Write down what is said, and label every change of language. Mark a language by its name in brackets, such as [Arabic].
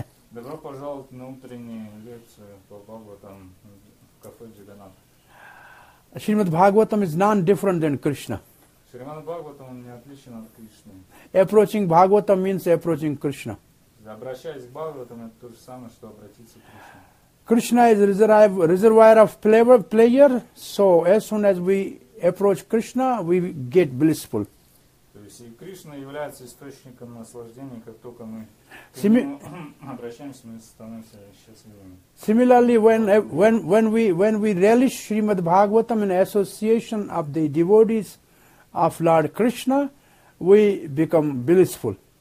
[Russian] добро пожаловать на утренние лекции по Бхагаватам кафе Джаганнат [English] Шримад Бхагаватам is non different than Krishna [Russian] Шримад Бхагаватам он не отличен от Кришны [English] approaching Бхагаватам means approaching Krishna [Russian] Обращаясь к Бхагаватам, это то же самое, что обратиться к Кришне. [English] Krishna is reservoir of pleasure, so as soon as we approach Krishna, we get blissful. [Russian] То есть, и Кришна является источником наслаждения, как только мы обращаемся, мы становимся счастливыми. [English] Similarly, when we relish Srimad Bhagavatam in association of the devotees of Lord Krishna, we become blissful.